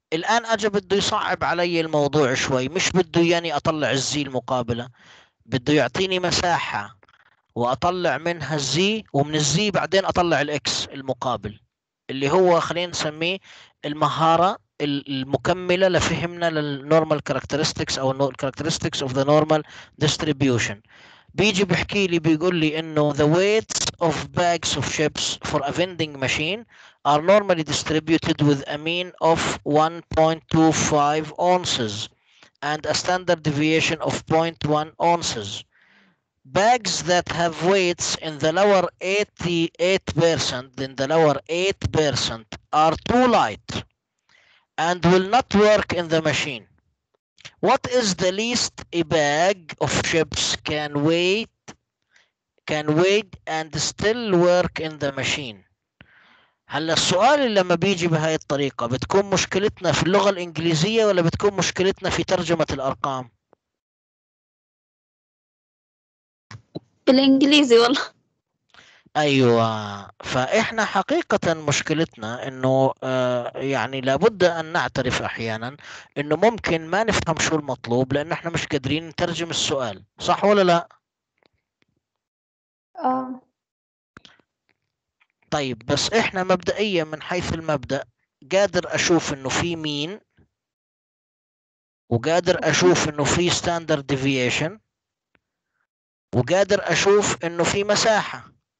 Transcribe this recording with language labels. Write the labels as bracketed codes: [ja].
[ar] الآن أجا بده يصعب علي الموضوع شوي، مش بده يعني أطلع الزي المقابلة، بده يعطيني مساحة وأطلع منها الزي، ومن الزي بعدين أطلع الإكس المقابل، اللي هو خلينا نسميه المهارة المكملة لفهمنا للنورمال كاركترستكس أو الكاركترستكس [en] of the normal distribution. [ar] بيجي بحكي لي، بيقول لي إنه [en] the weights of bags of chips for a vending machine are normally distributed with a mean of 1.25 ounces and a standard deviation of 0.1 ounces. Bags that have weights in the lower 88% than the lower 8% are too light and will not work in the machine. What is the least a bag of chips can weigh and still work in the machine? [ar] هلا السؤال اللي لما بيجي بهاي الطريقة بتكون مشكلتنا في اللغة الإنجليزية ولا بتكون مشكلتنا في ترجمة الأرقام؟ بالإنجليزي والله. أيوة، فإحنا حقيقة مشكلتنا إنه يعني لابد أن نعترف أحيانا إنه ممكن ما نفهم شو المطلوب لأن إحنا مش قادرين نترجم السؤال، صح ولا لا؟ طيب، بس احنا مبدئيا من حيث المبدا قادر اشوف انه في مين، وقادر اشوف انه في ستاندرد ديفيشن، وقادر اشوف انه في مساحه.